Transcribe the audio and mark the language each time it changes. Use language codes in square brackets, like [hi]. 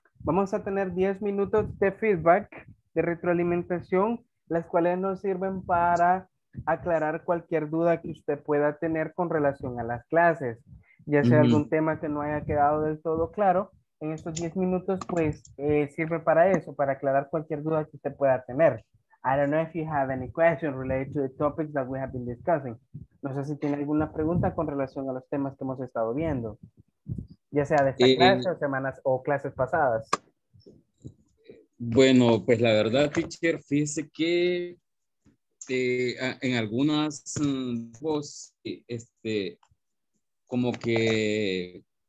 [es] Vamos a tener 10 minutos de feedback, de retroalimentación, las cuales nos sirven para aclarar cualquier duda que usted pueda tener con relación a las clases. Ya sea algún tema que no haya quedado del todo claro, en estos 10 minutos, pues, sirve para eso, para aclarar cualquier duda que usted pueda tener. [en] I don't know if you have any questions related to the topics that we have been discussing. [es] No sé si tiene alguna pregunta con relación a los temas que hemos estado viendo, ya sea de esta clase o semanas o clases pasadas. Bueno, pues la verdad, teacher, fíjese que en algunas voces, como que